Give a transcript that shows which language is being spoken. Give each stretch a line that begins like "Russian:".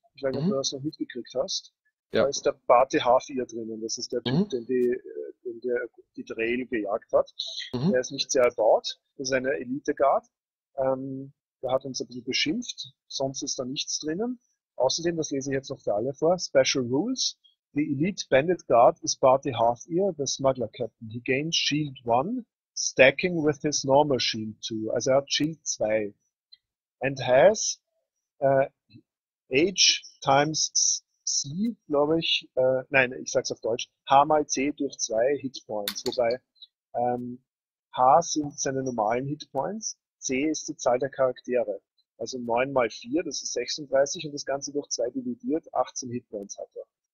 German: Ich weiß nicht, ob du das noch mitgekriegt hast. Da ist der Bate Hafir drinnen. Das ist der Typ, den der die Drehl gejagt hat. Der ist nicht sehr erbaut. Das ist eine Elite-Guard. Der hat uns ein bisschen beschimpft. Sonst ist da nichts drinnen. Außerdem, das lese ich jetzt noch für alle vor, Special Rules.
English: The Elite Bandit Guard is Bate Hafir, the Smuggler Captain. He gains Shield 1, stacking with his normal Shield 2.
German: Also er hat Shield 2.
English: And has H times C,
German: glaube ich, nein, ich sag's auf Deutsch, H mal C durch 2 Hitpoints, wobei H sind seine normalen Hitpoints, C ist die Zahl der Charaktere, also 9 mal 4, das ist 36 und das Ganze durch 2 dividiert, 18 Hitpoints hat er.